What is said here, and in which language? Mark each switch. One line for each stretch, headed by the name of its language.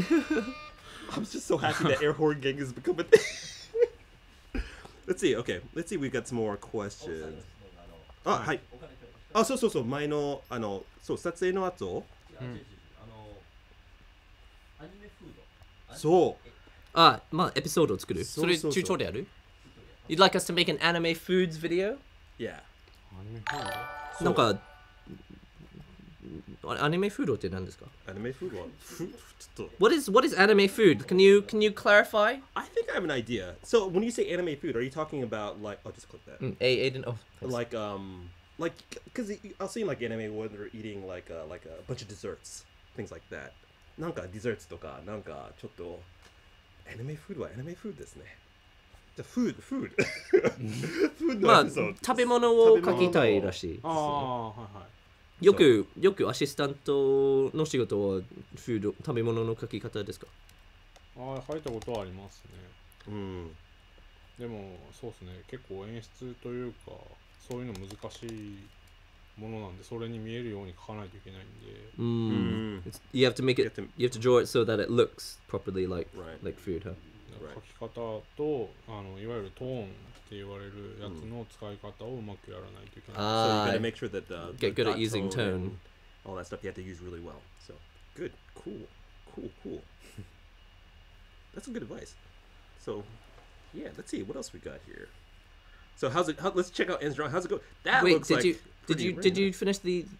English: I'm just so happy that air horn gang has become a thing. Let's see. Okay. Let's see. We've got some more questions. Oh, hi. Oh, so.
Japanese: 前の、あの、そう、撮影の後。そう。あ、まあ、エピソードを作る。それ、チュートリアル？
English: You'd like us to make an anime foods video? Yeah.
Japanese: なんかアニメフードって何ですか？アニメフードはちょっと。
English: What is anime food? Can you clarify? I think I have an idea. So when you say anime food, are you talking about like? I'll just click that. Aiden, oh. Like, because I'll see like anime where they're eating like a bunch of desserts, things like that.
Japanese: なんかデザートとかなんかちょっとアニメフードはアニメフードですね。
English: The food. food
Japanese: まあ、食べ物を書きたいらしい。ああ、はいはい。よくアシスタントの仕事はフード、食べ物の書き方ですか？ああ、書いたことはありますね。でも、そうですね。結構演出というか、そういうの難しいものなんで、それに見えるように書かないといけないんで。
English: You have to make it, you have to draw it so that it looks properly like food, huh?
Japanese: 書き方と、
English: right.
Japanese: あのいわゆるトーンって言われるやつの使い方をうまくやらないといけない。
English: So you gotta make sure that the get good at using tone. All that stuff you have to use really well. So good, cool. That's a good advice. So yeah, let's see what else we got here. So how's it? Let's check out Ends Drawing. How's it go? That Wait, looks did like you, did you did you finish the?